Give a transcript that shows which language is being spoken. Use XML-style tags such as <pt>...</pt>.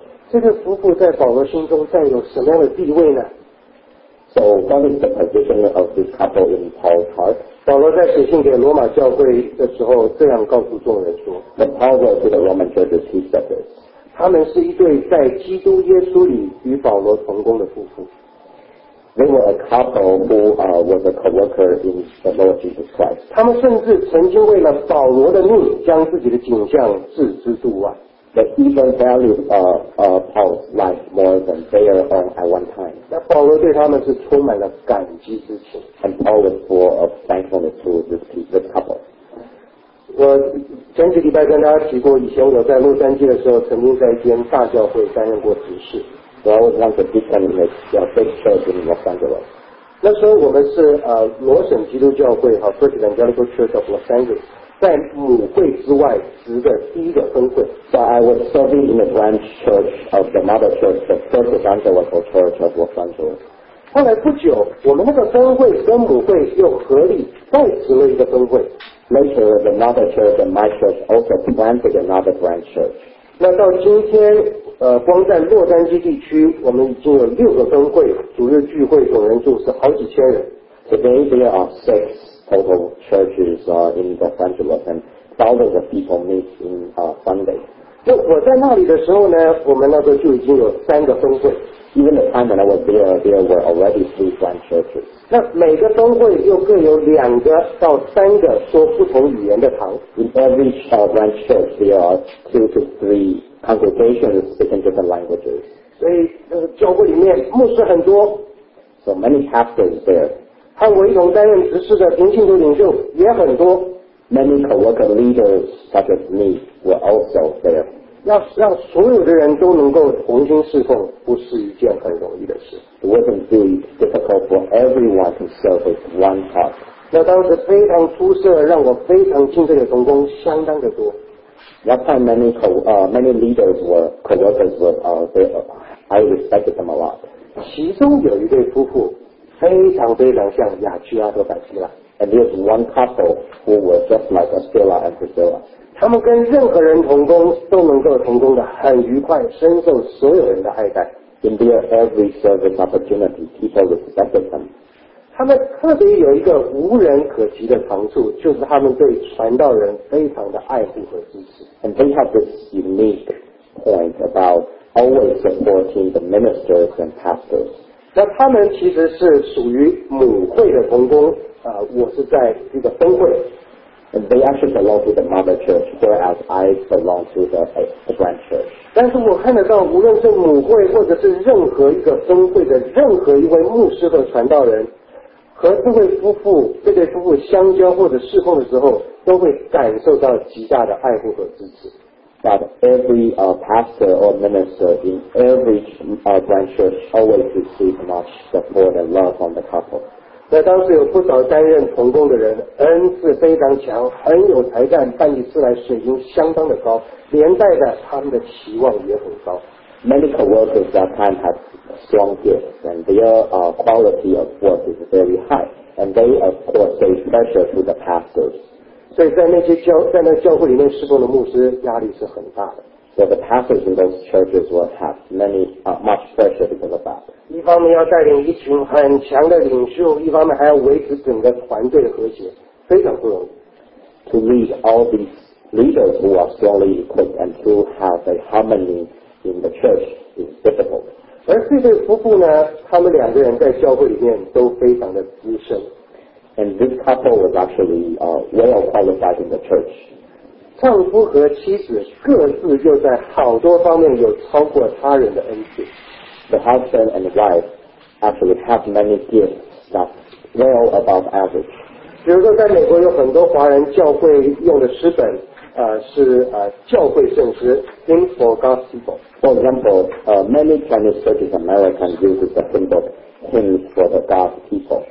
<zh>这个夫妇在保罗心中占有什么样的地位呢？</zh> <en>So what is the position of this couple in Paul's heart?</en> <zh>保罗在写信给罗马教会的时候这样告诉众人说，</zh> <en>The power to the Roman churches he said this.</en> <zh>他们是一对在基督耶稣里与保罗同工的夫妇。</zh> <en>They were a couple who was a co-worker in the Lord Jesus Christ.</en> <zh>他们甚至曾经为了保罗的命将自己的颈项置之度外。</zh> <en>They even valued Paul's life more than their own at one time.</en> <zh>那保罗对他们是充满了感激之情。</zh> <en>And Paul was full of thankfulness to this couple.</en> <zh>我前几礼拜跟大家提过，以前我在洛杉矶的时候，曾经在一间大教会担任过执事。</zh> <en>So I was one of the deacons in a big church in Los Angeles.</en> <zh>那时候我们是罗省基督教会和 First Evangelical Church of Los Angeles. 在母会之外职的第一个分会。</zh> <en>So I was serving in the branch church of the mother church, the First Evangelical Church of Los Angeles.</en> <zh>后来不久，我们那个分会跟母会又合力再植了一个分会。</zh> <en>Later, the mother church and my church also planted another branch church.</en> <zh>那到今天，光在洛杉矶地区，我们已经有六个分会，主日聚会总人数是好几千人。</zh> <en>Today there are six. Total churches in Los Angeles and thousands of people meet in Sunday.</en> <zh>就我在那里的时候呢，我们那时候就已经有三个分会。</zh> <en>Even the time when I was there were already three branch churches.</en> <zh>那每个分会又各有两个到三个说不同语言的堂。</zh> <en>In every branch church, there are two to three congregations speaking different languages.</en> <zh>所以教会里面牧师很多。</zh> <en>So many pastors there.</en> <zh>和我一同担任执事的平信徒领袖也很多。</zh> <en>Many co-worker leaders such as me were also there.</en> <zh>要让所有的人都能够同心侍奉，不是一件很容易的事。</zh> <en>It wasn't really difficult for everyone to serve with one heart.</en> <zh>那当时非常出色，让我非常敬佩的同工相当的多。</zh> <en>That time many co-workers were there. I respected them a lot.</en> <zh>其中有一对夫妇。非常非常像亚居拉和百吉拉。</zh> <en>And there's one couple who were just like Aquila and Priscilla.</en> <zh>他们跟任何人同工都能够同工的很愉快，深受所有人的爱戴。</zh> <en>In their every service opportunity, people respected them.</en> <zh>他们特别有一个无人可及的长处，就是他们对传道人非常的爱护和支持。</zh> <en>And they have this unique point about always supporting the ministers and pastors.</en> <zh>那他们其实是属于母会的同工，我是在这个分会。</zh> <en>And they actually belong to the mother church, whereas I belong to the branch church.</en> <zh>但是我看得到，无论是母会或者是任何一个分会的任何一位牧师和传道人，和这位夫妇、这对夫妇相交或者侍奉的时候，都会感受到极大的爱护和支持。</zh> <en>That every pastor or minister in every branch church always receives much support and love from the couple.</en> <zh>在当时有不少担任同工的人，恩赐非常强，很有才干，办起事来水平相当的高，连带的他们的期望也很高。</zh> <en>Many co-workers at that time had strong gifts, and their quality of work is very high. And they, of course, gave pressure to the pastors.</en> <zh>所以在那些教在那教会里面侍奉的牧师压力是很大的。</zh> <en>So the pastors in those churches will have many much pressure because of that.</en> <zh>一方面要带领一群很强的领袖，一方面还要维持整个团队的和谐，非常不容易。</zh> <en>To lead all these leaders who are strongly equipped and to have a harmony in the church is difficult.</en> <zh>而这对夫妇呢，他们两个人在教会里面都非常的资深。</zh> <en>And this couple was actually well qualified in the church.</en> <zh>丈夫和妻子各自又在好多方面有超过他人的恩赐。</zh> <en>The husband and wife actually have many gifts that well above average.</en> <zh>比如说在美国有很多华人教会用的诗本是教会圣诗 Hymn for Gospel.</zh> <en>For example, many Chinese churches Americans use the hymn book Hymns for the God People.</en>